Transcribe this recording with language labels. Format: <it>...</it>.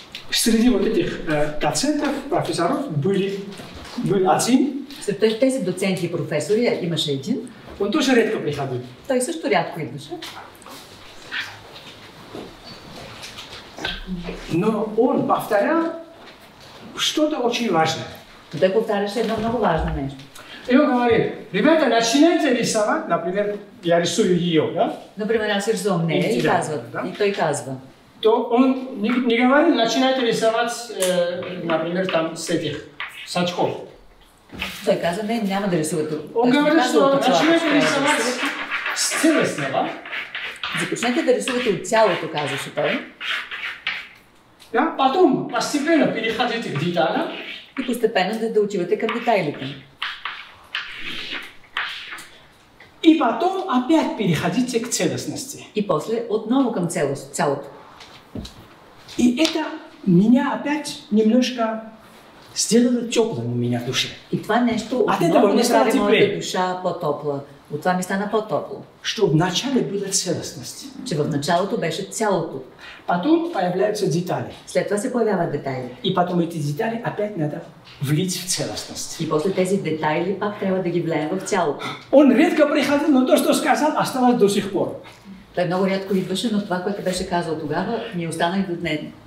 <ru>Среди вот этих доцентов, профессоров, был один.</ru> <bg>Среди тези доценти и професори имаше един.</bg> <ru>Он тоже редко приходил.</ru> <bg>Той също рядко идваше.</bg> <ru>Но он повторял что-то очень важное.</ru> <bg>Той повтаряше едно много важно нещо.</bg> <ru>И он говорит, ребята, начинайте рисовать, например, я рисую ее, да?</ru> <bg>Например, аз рисувам нея и казва, да? И той казва.</bg> <ru>То он не говорит, начинайте рисовать, например, там с этих, с очков.</ru> <bg>Той казва, не, няма да рисувате.</bg> <ru>Он говорит, что начинайте рисовать с целостного.</ru> <bg>Започнете да рисувате от цялото, казваше той. Да?</bg> <ru>Потом постепенно переходите к деталям.</ru> <bg>И постепенно да учивате към детайлите.</bg> <ru>И потом опять переходите к целостности.</ru> <bg>И после отново към цялото.</bg> <ru>И это меня опять немножко сделало теплым у меня в душе.</ru> <bg>И това нещо отново не прави моята душа по-топла. От това ми стана по-топло.</bg> <ru>Что в начале была целостность.</ru> <bg>Че в началото беше цялото.</bg> <ru>Потом появляются детали.</ru> <bg>След това се появяват детайли.</bg> <ru>И потом эти детали опять надо влить в целостность.</ru> <bg>И после тези детайли пак трябва да ги влеем в цялото.</bg> <ru>Он редко приходил, но то, что сказал, осталось до сих пор.</ru> <bg>Той много рядко идваше, но това, което беше казал тогава, ми остана и до днес.</bg>